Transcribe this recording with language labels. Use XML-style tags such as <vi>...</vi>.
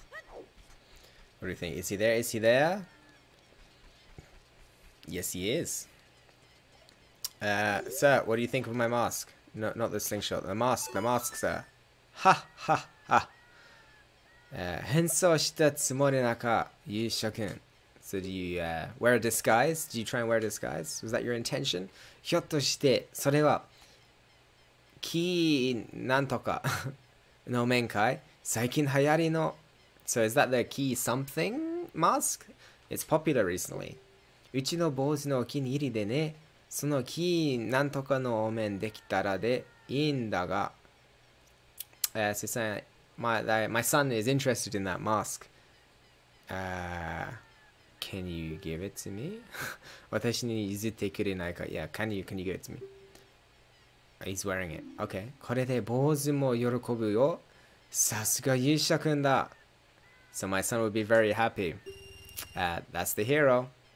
<en>What do you think? Is he there? Yes, he is. Sir, what do you think of my mask? No, not the slingshot. The mask, sir. Ha, ha, ha.</en> <ja>変装したつもりなか、勇者君。</ja> <en>So do you wear a disguise? Do you try and wear a disguise? Was that your intention?</en> <ja>ひょっとして、それは、キーなんとかの面会、最近流行りの、</ja> <en>So is that the key something mask? It's popular recently.</en> <ja>うちの坊主のお気に入りでね、そのキーなんとかのお面できたらでいいんだが。</ja> <en>So saying, my son is interested in that mask. Can you give it to me?</en> <ja>私に譲ってくれないか。</ja> <en>Yeah, can you give it to me? He's wearing it. Okay.</en> <ja>これで坊主も喜ぶよ。さすが勇者くんだ。</ja> <en>So my son would be very happy. That's the hero.</en>